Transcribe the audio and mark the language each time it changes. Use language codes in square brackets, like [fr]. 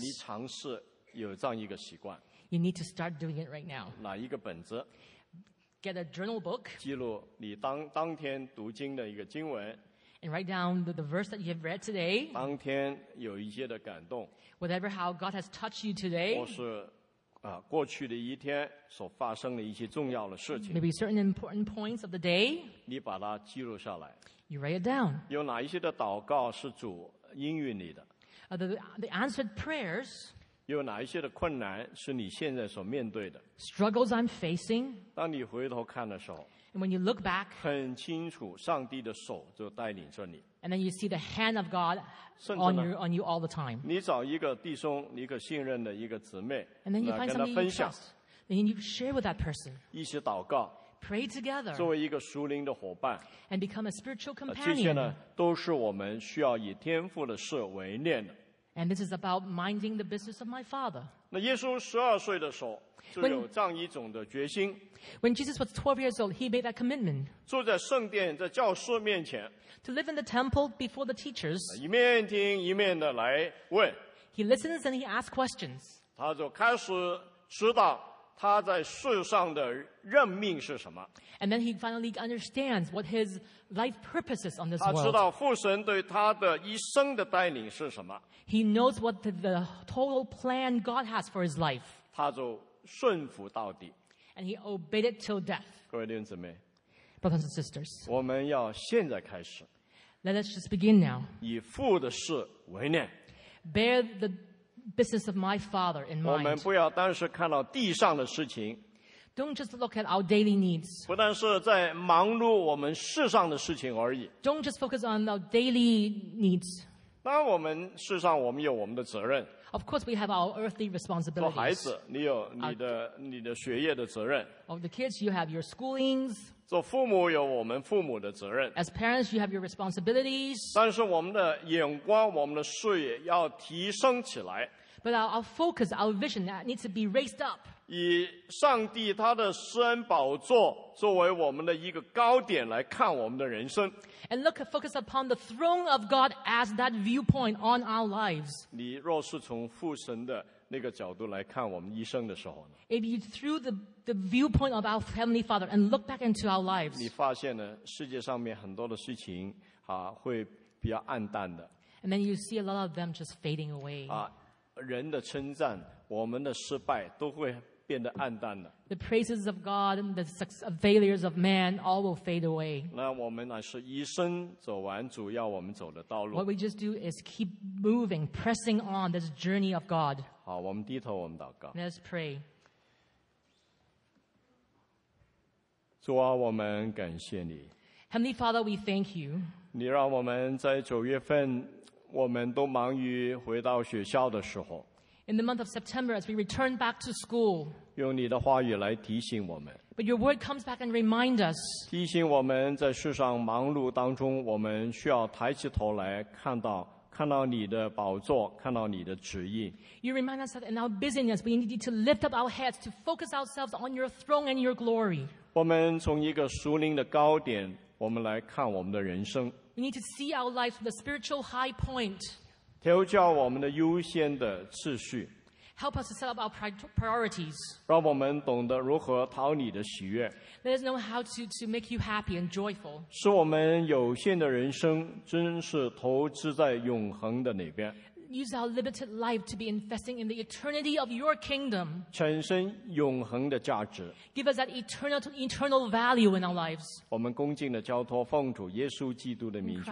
[zh] 你尝试有这样一个习惯。 [en] You need to start doing it right now. [zh] 拿一个本子 [en] ，Get a journal book. [zh] 记录你当天读经的一个经文。 [en] And write down the verse that you have read today. [zh] 当天有一些的感动。 [en] Whatever how God has touched you today. [zh] 或是过去的一天所发生的一些重要的事情 [en] ，maybe certain important points of the day， [zh] 你把它记录下来 [en] ，you write it down。 [zh] 有哪一些的祷告是主应允你的 [en] ？The answered prayers。 [zh] 有哪一些的困难是你现在所面对的 [en] ？Struggles I'm facing。 [zh] 当你回头看的时候 [en] ，and when you look back， [zh] 很清楚上帝的手就带领着你。 [en] And then you see the hand of God on you all the time. [zh] 你找一个弟兄，你可信任的一个姊妹， [en] and then you find somebody you trust. Then you share with that person. [zh] 一起祷告， [en] pray together. [zh] 作为一个属灵的伙伴， [en] and become a spiritual companion. [zh] 这些呢，都是我们需要以天父的事为念的。 [en] And this is about minding the business of my father. [zh] 那耶稣十二岁的时候就有这样一种的决心。 [en] When Jesus was 12 years old, he made that commitment. [zh] 住在圣殿，在教师面前。 [en] To live in the temple before the teachers. [zh] 一面听一面的来问。 [en] He listens and he asks questions. [zh] 他就开始知道他在世上的任命是什么。 [en] And then he finally understands what his life purpose is on this world. [zh] 他知道父神对他的一生的带领是什么。 [en] He knows what the total plan God has for his life. [zh] 他就顺服到底。 [en] And he obeyed it till death. [zh] 各位弟兄姊妹 [en] brothers and sisters, [zh] 我们要现在开始 [en] let us just begin now. [zh] 以父的事为念 [en] bear the business of my father in mind. [zh] 我们不要单是看到地上的事情 [en] don't just look at our daily needs. [zh] 不但是在忙碌我们世上的事情而已 [en] don't just focus on our daily needs. [zh] 当我们世上我们有我们的责任 [en] Of course, we have our earthly responsibilities. [zh] 做孩子，你有你的你的学业的责任。 [en] Of the kids, you have your schoolings. [zh] 做父母有我们父母的责任。 [en] As parents, you have your responsibilities. [zh] 但是我们的眼光，我们的视野要提升起来。 [en] But our focus, our vision needs to be raised up. [zh] 以上帝他的施恩宝座作为我们的一个高点来看我们的人生。 [en] And look, focus upon the throne of God as that viewpoint on our lives. [zh] 你若是从父神的那个角度来看我们一生的时候呢 [en] If you through the viewpoint of our Heavenly Father and look back into our lives. [zh] 你发现呢世界上面很多的事情啊会比较暗淡的。 [en] And then you see a lot of them just fading away. [zh] 啊人的称赞，我们的失败都会变得暗淡的。 [en] The praises of God and the failures of man all will fade away. [zh] 那我们乃是一生走完主要我们走的道路。 [en] What we just do is keep moving, pressing on this journey of God. [zh] 好，我们低头，我们祷告。 [en] Let's pray. [zh] 主啊，我们感谢你。 [en] Heavenly Father, we thank you. [zh] 你让我们在九月份。我们都忙于回到学校的时候 [en] In the month of September, as we return back to school, [zh] 用你的话语来提醒我们 [en] But your word comes back and reminds us, [zh] 提醒我们在世上忙碌当中，我们需要抬起头来看到，看到你的宝座，看到你的旨意 [en] You remind us that in our busyness, we need to lift up our heads to focus ourselves on your throne and your glory. [zh] 我们从一个属灵的高点，我们来看我们的人生 [en] We need to see our lives with a spiritual high point. [zh] 调教我们的优先的次序。 [en] Help us to set up our priorities. [zh] 让我们懂得如何讨你的喜悦。 [en] Let us know how to make you happy and joyful. [zh] 使我们有限的人生真是投资在永恒的那边。 [en] Use our limited life to be investing in the eternity of your kingdom. [zh] 产生永恒的价值。 [en] Give us that eternal value in our lives. [zh] 我们恭敬的交托，奉主耶稣基督的名求。